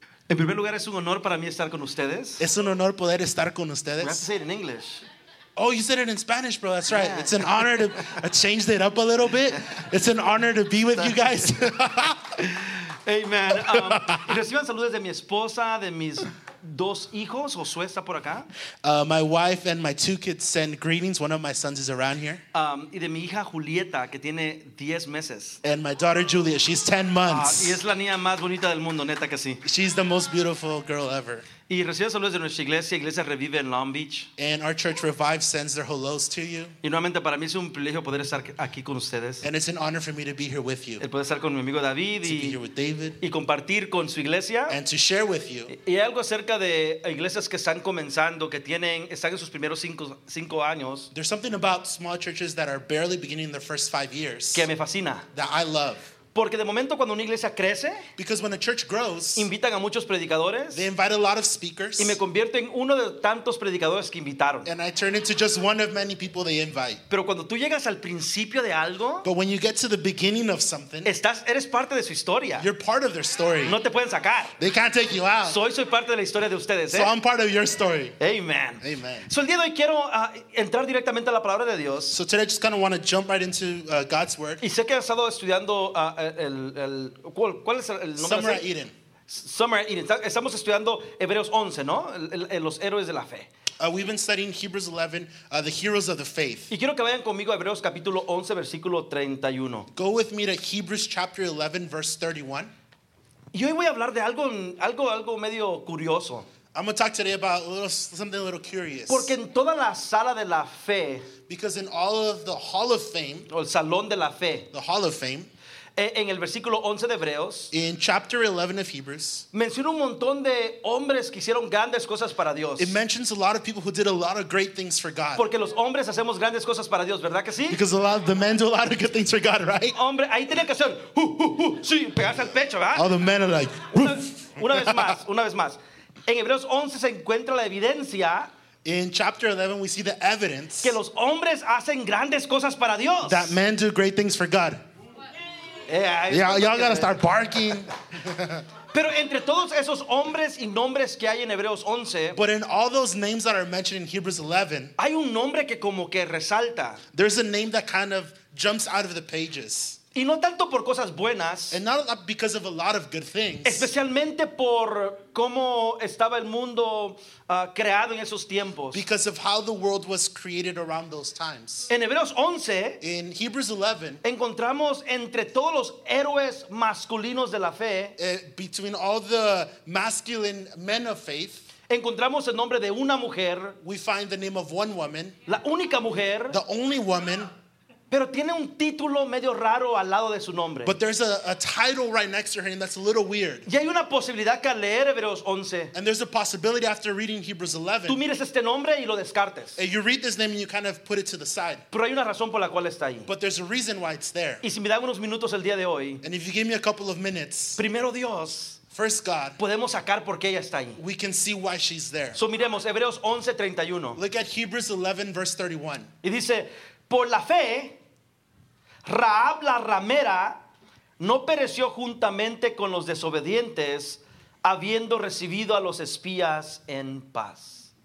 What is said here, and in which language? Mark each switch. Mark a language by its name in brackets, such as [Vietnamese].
[Spanish] En primer lugar, es un honor para mí estar con ustedes. Es un honor poder estar con ustedes. [English] We have to say it in English. Oh, you said it in Spanish, bro. That's right. Yeah. It's an honor to change it up a little bit. It's an honor to be with you guys. Amen. [Spanish] Reciban saludos de mi esposa, de mis dos hijos. Josué está por acá. [English] My wife and my two kids send greetings. One of my sons is around here. [Spanish] Y de mi hija Julieta, que tiene 10 meses. [English] And my daughter Julia, she's 10 months. [Spanish] Y es la niña más bonita del mundo, neta que sí. [English] She's the most beautiful girl ever. [Spanish] Y reciban saludos de nuestra iglesia, Iglesia Revive en Long Beach. [English] And our church Revive sends their hellos to you. [Spanish] Y nuevamente para mí es un privilegio poder estar aquí con ustedes. [English] And it's an honor for me to be here with you. [Spanish] El poder estar con mi amigo David [English] y to be here with David. [Spanish] Y compartir con su iglesia. [English] And to share with you. [Spanish] Y algo acerca de iglesias que están comenzando, que tienen están en sus primeros cinco años. [English] There's something about small churches that are barely beginning their first 5 years. [Spanish] Que me fascina. [English] That I love. [Spanish] Porque de momento cuando una iglesia crece, [English] because when a church grows, [Spanish] invitan a muchos predicadores, [English] they invite a lot of speakers, [Spanish] y me convierto en uno de tantos predicadores que invitaron. [English] And I turn into just one of many people they invite. [Spanish] Pero cuando tú llegas al principio de algo, [English] but when you get to the beginning of something, [Spanish] eres parte de su historia. [English] You're part of their story. [Spanish] No te pueden sacar. [English] They can't take you out. [Spanish] Soy parte de la historia de ustedes. [English] So I'm part of your story. Amen. Amen. [Spanish] So el día de hoy quiero entrar directamente a la palabra de Dios. [English] So today I just kind of want to jump right into God's word. [Spanish] Y sé que has estado estudiando ¿cuál es el nombre? [English] Summer at Eden. [Spanish] Summer at Eden. Estamos estudiando Hebreos 11, ¿no? Los héroes de la fe. [English] We've been studying Hebrews 11, the heroes of the faith. [Spanish] Y quiero que vayan conmigo a Hebreos capítulo 11, versículo 31. [English] Go with me to Hebrews chapter 11, verse 31. [Spanish] Y hoy voy a hablar de algo medio curioso. [English] I'm going to talk today about something a little curious. [Spanish] Porque en toda la sala de la fe. [English] Because in all of the hall of fame. [Spanish] O el salón de la fe. [English] The hall of fame. [Spanish] En el versículo 11 de Hebreos, [English] in chapter 11 of Hebrews, [Spanish] menciona un montón de hombres que hicieron grandes cosas para Dios. [English] It mentions a lot of people who did a lot of great things for God. [Spanish] Porque los hombres hacemos grandes cosas para Dios, ¿verdad que sí? [English] Because a lot of the men do a lot of good things for God, right? [Spanish] Hombre, ahí tiene que ser, sí, pegarse al pecho, ¿verdad? [English] All the men are like, [Spanish] una vez más. En Hebreos 11 se encuentra la evidencia. [English] In chapter 11, we see the evidence [Spanish] que los hombres hacen grandes cosas para Dios. [English] That men do great things for God. Y'all gotta start barking. [Spanish] Pero entre todos esos hombres y nombres que hay en Hebreos 11, [English] but in all those names that are mentioned in Hebrews 11, [Spanish] hay un nombre que como que resalta. [English] There's a name that kind of jumps out of the pages. [Spanish] Y no tanto por cosas buenas, [English] and not because of a lot of good things, [Spanish] especialmente por cómo estaba el mundo creado en esos tiempos, [English] because of how the world was created around those times. [Spanish] En Hebreos 11, [English] in Hebrews 11, [Spanish] encontramos entre todos los héroes masculinos de la fe, [English] between all the masculine men of faith, [Spanish] encontramos el nombre de una mujer, [English] we find the name of one woman, [Spanish] la única mujer, [English] the only woman. [Spanish] Pero tiene un título medio raro al lado de su nombre. [English] But there's a title right next to her name that's a little weird. [Spanish] Y hay una posibilidad que al leer Hebreos 11. [English] And there's a possibility after reading Hebrews 11. [Spanish] Tú mires este nombre y lo descartes. [English] And you read this name and you kind of put it to the side. [Spanish] Pero hay una razón por la cual está ahí. [English] But there's a reason why it's there. [Spanish] Y si me dan unos minutos el día de hoy. [English] And if you give me a couple of minutes. [Spanish] Primero Dios. [English] First God. [Spanish] Podemos sacar por qué ella está ahí. [English] We can see why she's there. [Spanish] So miremos Hebreos 11:31. [English] Look at Hebrews 11 verse 31. [Spanish] Y dice, por la fe Raab la ramera no pereció juntamente con los desobedientes, habiendo recibido a los espías en paz.